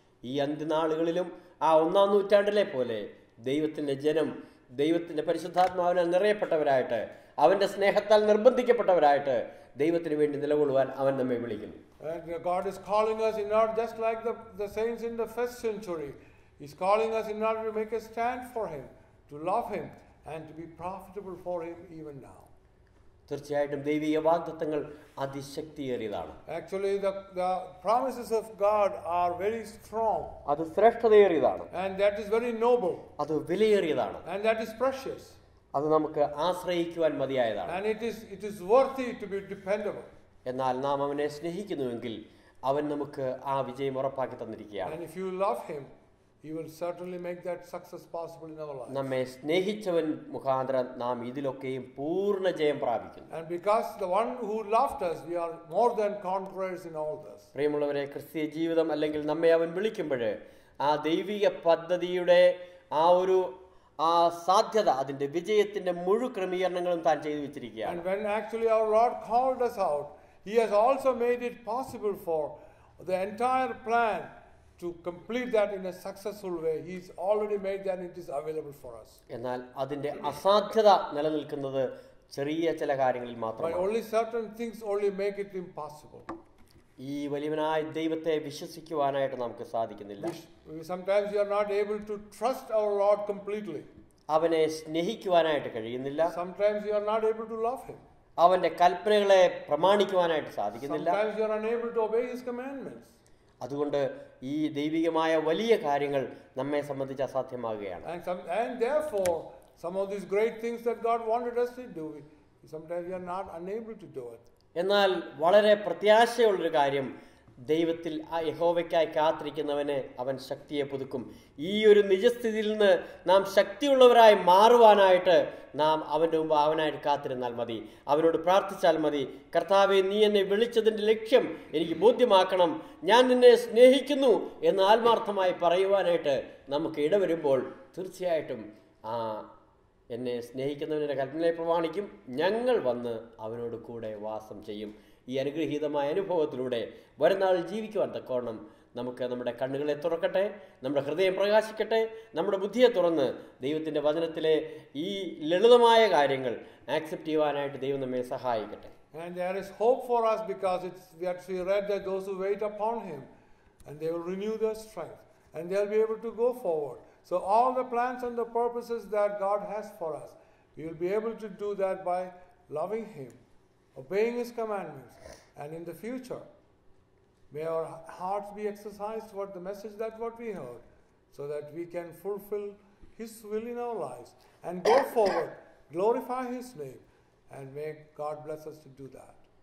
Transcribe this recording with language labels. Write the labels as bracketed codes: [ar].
[ml] ഈ അന്ത്യനാളുകളിലും ആ 1-ാം നൂറ്റാണ്ടിലെ പോലെ ദൈവത്തിന്റെ ജനം ദൈവത്തിന്റെ പരിശുദ്ധാത്മാവിനാൽ നിറയപ്പെട്ടവരായിട്ട് അവന്റെ സ്നേഹത്താൽ നിർബന്ധിക്കപ്പെട്ടവരായിട്ട് ദൈവത്തിന് വേണ്ടി നിലകൊള്ളുവാൻ അവൻ നമ്മെ വിളിക്കുന്നു. [en] God is calling us not just like the saints in the first century. He's calling us in order to make a stand for him, to love him and to be profitable for him even now. [ml] തീർച്ചയായിട്ടും ദൈവീയ വാഗ്ദത്തങ്ങൾ അതിശക്തിയേറിയതാണ്. [en] Actually the promises of God are very strong. [ml] അത് ശ്രേഷ്ഠതയേറിയതാണ്. [en] And that is very noble. [ml] അത് വിലയേറിയതാണ്. [en] And that is precious. [ml] അത് നമുക്ക് ആശ്രയിക്കുവാൻ മതിയായതാണ്. [en] And it is worthy to be dependable. [ml] എന്നാൽ നാം അവനെ സ്നേഹിക്കുന്നുവെങ്കിൽ അവൻ നമുക്ക് ആ വിജയം ഉറപ്പാക്കി തന്നിരിക്കുകയാണ്. [en] And if you love him, he will certainly make that success possible in our lives. [ml] നമ്മെ സ്നേഹിച്ചവൻ മുഖാന്തരം നാം ഇതിലൊക്കെയും പൂർണ്ണ ജയം പ്രാപിക്കുന്നു. [en] And because the one who loved us, we are more than conquerors in all this. [ml] പ്രിയമുള്ളവരെ, ക്രിസ്തീയ ജീവിതം അല്ലെങ്കിൽ നമ്മെ അവൻ വിളിക്കുമ്പോൾ ആ ദൈവിക പദ്ധതിയുടെ ആ ഒരു ആ സാധ്യത അതിന്റെ വിജയത്തിന്റെ മുഴു ക്രമീകരണങ്ങളും താൻ ചെയ്തു വെച്ചിരിക്കുകയാണ്. [en] And when actually our Lord called us out, he has also made it possible for the entire plan to complete that in a successful way. He's already made that, it is available for us. [ml] എന്നാൽ അതിന്റെ അസാധ്യത നിലനിൽക്കുന്നത് ചെറിയ ചില കാര്യങ്ങളിൽ മാത്രമാണ്. [en] Only certain things only make it impossible. [ml] ഈ വലിയവനായ ദൈവത്തെ വിശ്വസിക്കുവാനായിട്ട് നമുക്ക് സാധിക്കുന്നില്ല. [en] Sometimes you are not able to trust our Lord completely. [ml] അവനെ സ്നേഹിക്കുവാനായിട്ട് കഴിയുന്നില്ല. [en] Sometimes you are not able to love him. [ml] അവന്റെ കൽപ്പനകളെ പ്രമാണിക്കുവാനായിട്ട് സാധിക്കുന്നില്ല. [en] Sometimes you are unable to obey his commandments. [ml] അതുകൊണ്ട് ഈ ദൈവികമായ വലിയ കാര്യങ്ങൾ നമ്മെ സംബന്ധിച്ച് അസാധ്യമാകുകയാണ്. [en] And therefore some of these great things that God wanted us to do, sometimes we are not unable to do it. [ml] എന്നാൽ വളരെ പ്രത്യാശയുള്ള ഒരു കാര്യം, ദൈവത്തിൽ യഹോവയ്ക്കായി കാത്തിരിക്കുന്നവന് അവൻ ശക്തിയെ പുതുക്കും. ഈ ഒരു നിജസ്ഥിതിയിൽ നിന്ന് നാം ശക്തിയുള്ളവരായി മാറുവാനായിട്ട് നാം അവൻ്റെ മുമ്പ് അവനായിട്ട് കാത്തിരുന്നാൽ മതി, അവനോട് പ്രാർത്ഥിച്ചാൽ മതി, കർത്താവെ നീ എന്നെ വിളിച്ചതിൻ്റെ ലക്ഷ്യം എനിക്ക് ബോധ്യമാക്കണം, ഞാൻ നിന്നെ സ്നേഹിക്കുന്നു എന്ന് ആത്മാർത്ഥമായി പറയുവാനായിട്ട് നമുക്ക് ഇടവരുമ്പോൾ തീർച്ചയായിട്ടും ആ എന്നെ സ്നേഹിക്കുന്നവൻ്റെ കൽപ്പനയെ പ്രമാണിക്കും, ഞങ്ങൾ വന്ന് അവനോട് കൂടെ വാസം ചെയ്യും. ഈ അനുഗ്രഹീതമായ അനുഭവത്തിലൂടെ വരുന്നാളിൽ ജീവിക്കുവാൻ തക്കോണം നമുക്ക് നമ്മുടെ കണ്ണുകളെ തുറക്കട്ടെ, നമ്മുടെ ഹൃദയം പ്രകാശിക്കട്ടെ, നമ്മുടെ ബുദ്ധിയെ തുറന്ന് ദൈവത്തിൻ്റെ വചനത്തിലെ ഈ ലളിതമായ കാര്യങ്ങൾ ആക്സെപ്റ്റ് ചെയ്യുവാനായിട്ട് ദൈവം നമ്മെ സഹായിക്കട്ടെ. [en] And there is hope for us because it's, we actually read that those who wait upon him and they will renew their strength and they'll be able to go forward. So all the plans and the purposes that God has for us, we will be able to do that by loving him, obeying his commandments, and in the future may our hearts be exercised toward the message that what we heard, so that we can fulfill his will in our lives and go forward, glorify his name, and may God bless us to do that.